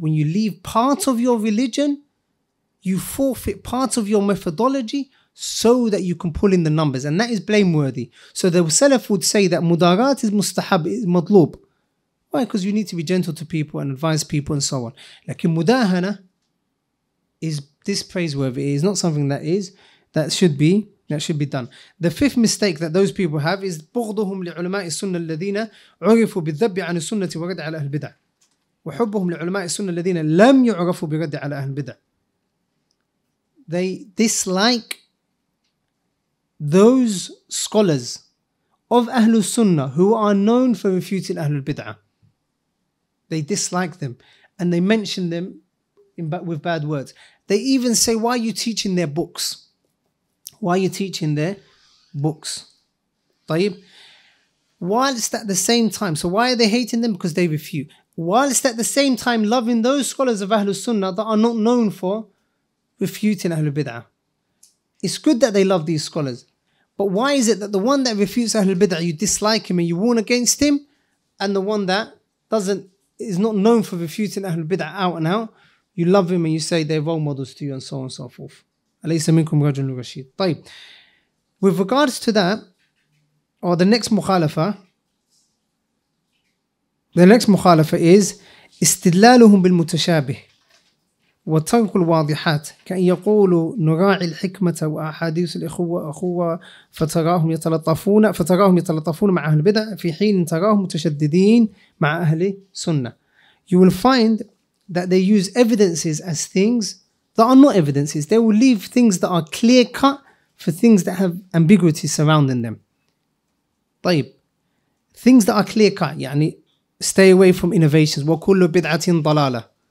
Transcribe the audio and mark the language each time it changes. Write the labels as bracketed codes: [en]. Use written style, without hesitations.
[en] When you leave part of your religion, you forfeit part of your methodology so that you can pull in the numbers. And that is blameworthy. So the Salaf would say that mudarat is mustahab, is madlub. Why? Because you need to be gentle to people and advise people and so on. Lakin mudahana is dispraiseworthy. It is not something that is, that should be, that should be done. The fifth mistake that those people have is [ar] بغضهم لعلماء السنة الذين عرفوا بالذب عن السنة ورد على أهل البدع وحبهم لعلماء السنة الذين لم يعرفوا برد على أهل البدع. [en] They dislike those scholars of Ahlus Sunnah who are known for refuting Ahlul Bid'ah. They dislike them and they mention them with bad words. They even say, why are you teaching their books? Why are you teaching their books? طيب. Whilst at the same time, so why are they hating them? Because they refute. Whilst at the same time loving those scholars of Ahlus Sunnah that are not known for refuting Ahlul Bid'ah. It's good that they love these scholars. But why is it that the one that refutes Ahlul Bid'ah, you dislike him and you warn against him, and the one that doesn't, is not known for refuting Ahlul Bid'ah out and out, you love him and you say they're role models to you and so on and so forth. [ar] أليس منكم رجل رشيد. طيب. [en] With regards to that, or the next [ar] مخالفة is استدلالهم بالمتشابه وترك الواضحات كأن يقولوا نراعي الحكمة وأحاديث الإخوة أخوة فتراهم يتلطفون مع أهل البدع في حين تراهم متشددين مع أهل سنة. [en] You will find that they use evidences as things that are not evidences. They will leave things that are clear cut for things that have ambiguity surrounding them. طيب. Things that are clear cut, [ar] يعني [en] stay away from innovations. [ar] وكل بدعة ضلالة.